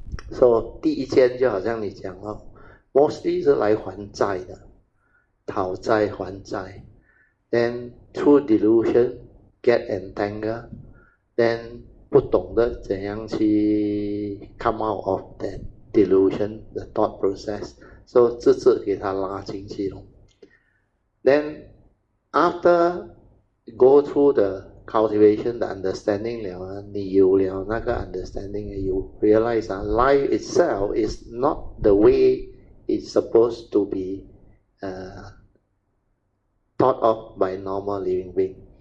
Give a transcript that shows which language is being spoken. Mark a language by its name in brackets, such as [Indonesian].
[Chinese] So, 第一件就好像你讲了， [English] mostly [Chinese] 是来还债的，讨债还债。 [English] Then, through delusion, get entangled. Then, [Chinese] 不懂得怎样去 [English] come out of that delusion, the thought process. [Chinese] So, 次次给他拉进去了。 [English] Then, After go through the cultivation, the understanding [Chinese] 了啊，你有了那个 [English] understanding, you realize 啊，life itself is not the way it's supposed to be thought of by normal living being。